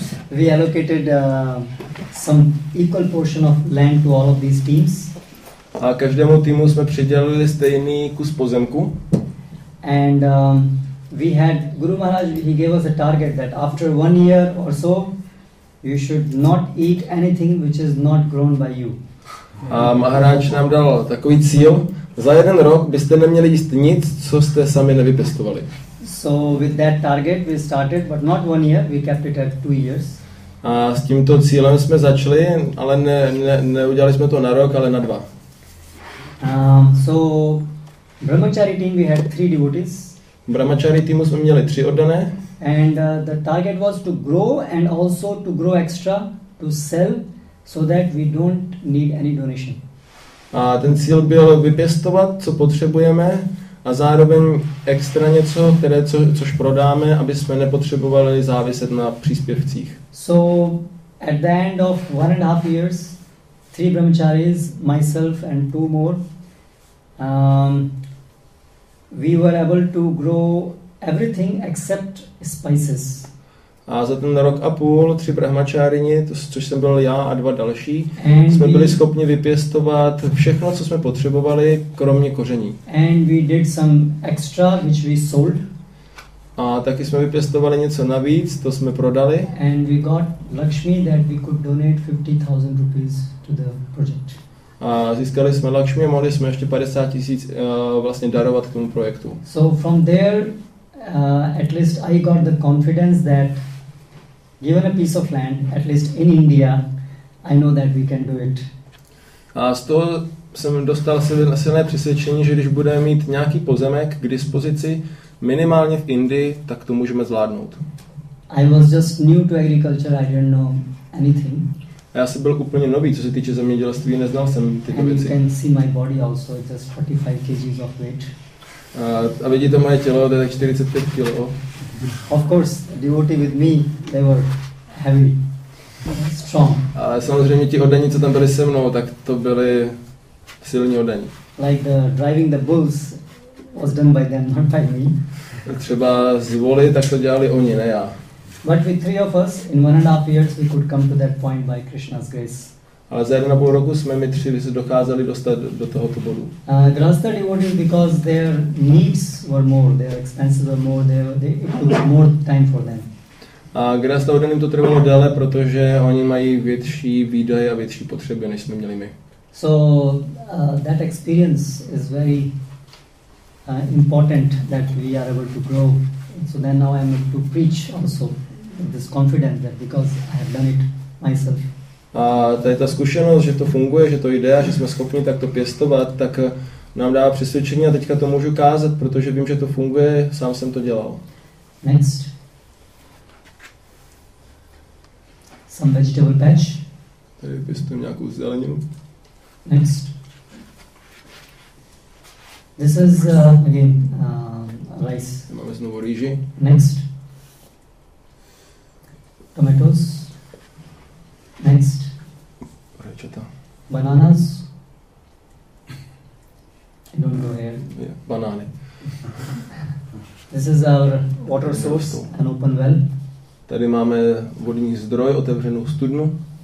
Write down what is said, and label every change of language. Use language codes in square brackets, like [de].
[en] We allocated some equal portion of land to all of these teams. [cs] A každému týmu jsme přidělili stejný kus pozemku. [en] And we had Guru Maharaj, he gave us a target that after 1 year or so, you should not eat anything which is not grown by you. [cs] A Maharaj nám dal takový cíl, za jeden rok byste neměli jíst nic, co jste sami nevypěstovali. [en] So with that target we started, but not 1 year, we kept it at 2 years. [cs] A s tímto cílem jsme začali, ale neudělali jsme to na rok, ale na dva. [en] So brahmachari team we had 3 devotees. [cs] Brahmachari týmu jsme měli 3 oddané. [en] And the target was to grow and also to grow extra to sell so that we don't need any donation. [cs] A ten cíl byl vypěstovat, co potřebujeme, a zároveň extra něco, které což prodáme, aby jsme nepotřebovali záviset na příspěvcích. [en] So at the end of 1.5 years, 3 brahmacharis, myself and 2 more, we were able to grow everything except spices. [cs] A za ten rok a půl, 3 brahmačáriny, což jsem byl já a 2 další, [en] and [cs] jsme byli schopni vypěstovat všechno, co jsme potřebovali, kromě koření. [en] And we did some extra, which we sold. [cs] A taky jsme vypěstovali něco navíc, to jsme prodali. [en] And we got Lakshmi that we could donate 50,000 rupees to the project. [cs] A získali jsme Lakshmi a mohli jsme ještě 50,000 vlastně darovat k tomu projektu. [en] So from there, at least I got the confidence that given a piece of land, at least in India, I know that we can do it. [cs] A z toho jsem dostal silné přesvědčení, že když budeme mít nějaký pozemek k dispozici, minimálně v Indii, tak to můžeme zvládnout. [en] I was just new to agriculture, I didn't know anything. [cs] A já jsem byl úplně nový, co se týče zemědělství, neznal jsem ty věci. [en] And you can see my body also, it's just 45 kg of weight. [cs] A vidíte moje tělo, to je tak 45 kilo. [en] Of course, devotee with me, they were heavy, strong. [cs] Ale samozřejmě ti oddaní, co tam byli se mnou, tak to byli silní oddaní. [en] Like the driving the bulls was done by them, not by me. [cs] Třeba z voli, tak to dělali oni, ne já. [en] But with 3 of us, in 1.5 years, we could come to that point by Krishna's grace. [cs] Ale za 1.5 roku jsme my 3 dokázali dostat do tohoto bodu. [en] Grahastha devotees, because their needs were more, their expenses were more, it took more time for them. [cs] A grahastha [en] devotees [cs] to trvalo déle, protože oni mají větší výdaje a větší potřeby, než jsme měli my. [en] So that experience is very important that we are able to grow. So then now I'm able to preach also with this confidence that because I have done it myself. [cs] A tady ta zkušenost, že to funguje, že to jde a že jsme schopni takto pěstovat, tak nám dává přesvědčení a teďka to můžu kázat, protože vím, že to funguje, sám jsem to dělal. [en] Next. Some vegetable patch. [cs] Tady pěstujeme nějakou zeleninu. [en] Next. This is again rice. [cs] Máme znovu rýži. [en] Next. Tomatoes. Next. [cs] Rajčata. [en] Bananas. I don't know here. Yeah, [cs] banány. [en] This is our water source, an open well. [cs] Tady máme vodní zdroj, otevřenou studnu.